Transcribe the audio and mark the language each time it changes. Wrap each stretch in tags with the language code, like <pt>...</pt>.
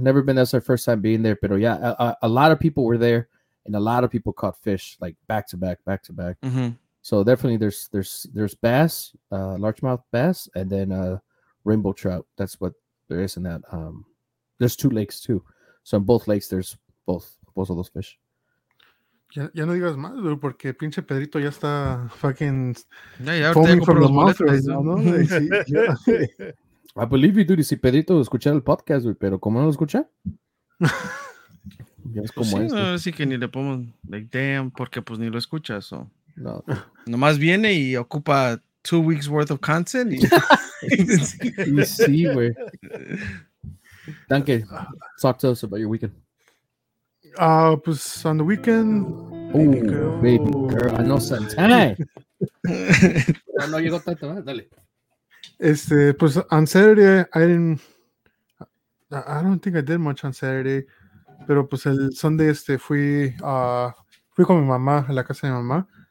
<en>Never been, that's our first time being there.</en> <es>Pero,</es> <en>yeah, a lot of people were there, and a lot of people caught fish, like, back to back. Mm-hmm. So definitely there's bass, largemouth bass, and then rainbow trout. That's what there is in that. There's two lakes, too. So in both lakes, there's both of those fish.</en> <es>Ya no digas más, bro, porque pinche Pedrito ya está</es> <en>fucking foaming from the mouth right now, ¿no? I believe you, dude.</en> <es>Si Pedrito escuchara el podcast, dude, pero ¿cómo no lo escucha? Ya es como pues sí, este. No, así que ni le pongo,</es> <en>like, damn,</en> <es>porque pues ni lo escucha, so. No. Nomás viene y ocupa</es> <en>2 weeks worth of content.</en> <es>Y sí, güey.</es> <en>Danke. Talk to us about your weekend.</en> <es>Pues</es> <en>on the weekend. Oh, baby girl. I know Santana.</en> <es>Llegó tanto, ¿eh? Dale. Este, pues</es> <en>on Saturday, I don't think I did much on Saturday.</en> <es>Pero pues el Sunday, este, fui con mi mamá a la casa de mi mamá.</es>